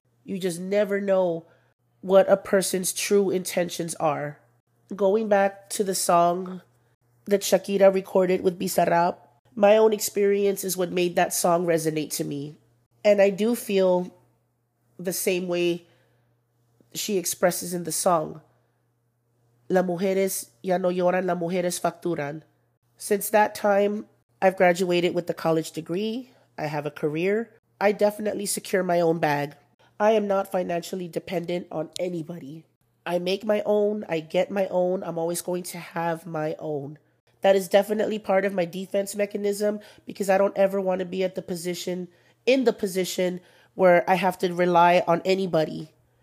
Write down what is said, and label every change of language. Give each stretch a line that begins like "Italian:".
English: You just never know what a person's true intentions are. Going back to the song that Shakira recorded with Bizarrap, my own experience is what made that song resonate to me. And I do feel the same way she expresses in the song.
Spanish: Las mujeres ya no lloran, las mujeres facturan.
English: Since that time, I've graduated with a college degree. I have a career. I definitely secure my own bag. I am not financially dependent on anybody. I make my own. I get my own. I'm always going to have my own. That is definitely part of my defense mechanism because I don't ever want to be at the position, in the position where I have to rely on anybody.